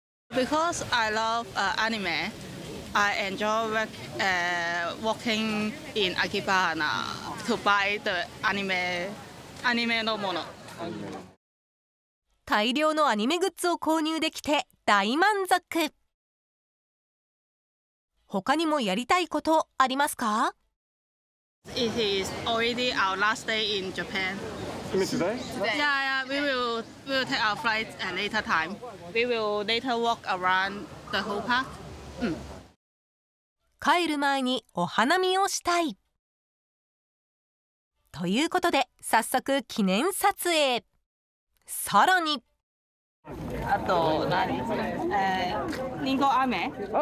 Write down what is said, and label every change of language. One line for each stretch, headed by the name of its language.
English: Because I love anime, I enjoy walking in Akihabara to buy the anime
Japanese: のもの。大量のアニメグッズを購入できて大満足。他にもやりたいことありますか。
English: It is already our last day in Japan. Today? Yeah, yeah, we will take our flight at later time. We will later walk around the whole park.
Japanese: 帰る前にお花見をしたい。ということで早速記念撮影。さらに、あと何、リンゴ飴。